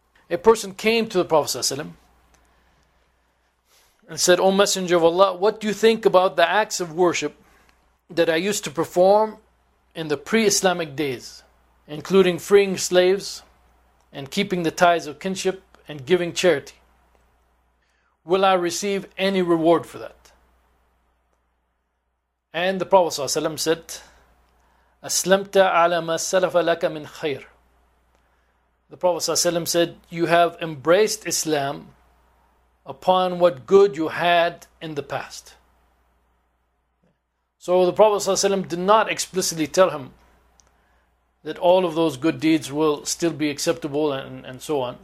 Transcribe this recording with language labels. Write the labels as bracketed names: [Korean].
[English] A person came to the Prophet and said, O Messenger of Allah, what do you think about the acts of worship that I used to perform in the pre-Islamic days, including freeing slaves and keeping the ties of kinship and giving charity? Will I receive any reward for that? And the Prophet said, [Arabic] أَسْلَمْتَ عَلَى مَا سَلَفَ لَكَ مِنْ خَيْرٍ. [English] The Prophet ﷺ said, you have embraced Islam upon what good you had in the past. So the Prophet ﷺ did not explicitly tell him that all of those good deeds will still be acceptable and so on.